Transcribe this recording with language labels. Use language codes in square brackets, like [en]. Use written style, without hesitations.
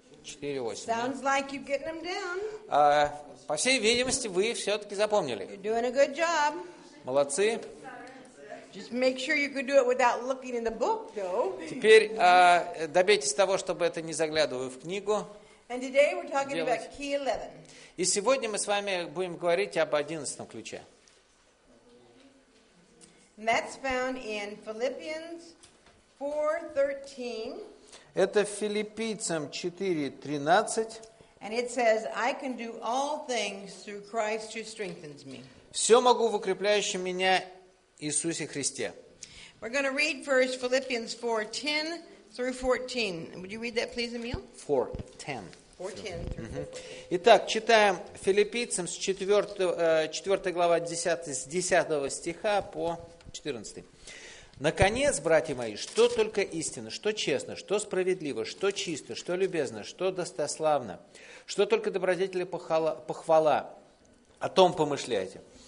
[en] Sounds like you're getting them down. [ru] По всей видимости, вы все-таки запомнили. [en] You're doing a good job. [ru] Молодцы. [en] Just make sure you could do it without looking in the book, though. [ru] Теперь добейтесь того, чтобы это не заглядывая в книгу. [en] And today we're talking [ru] делать. [en] About key 11. [ru] И сегодня мы с вами будем говорить об 11 ключе. [en] And that's found in Philippians 4:13. [ru] Это Филиппийцам 4:13. Все могу в укрепляющем меня Иисусе Христе. [en] We're going to read first Philippians 4:10-14. Would you read that, please, Emil? 4:10. 4:10-14. [ru] Итак, читаем Филиппийцам с 4 глава 10, с 10 стиха по 14. Наконец, братья мои, что только истинно, что честно, что справедливо, что чисто, что любезно, что достославно, что только добродетель и похвала, о том помышляйте.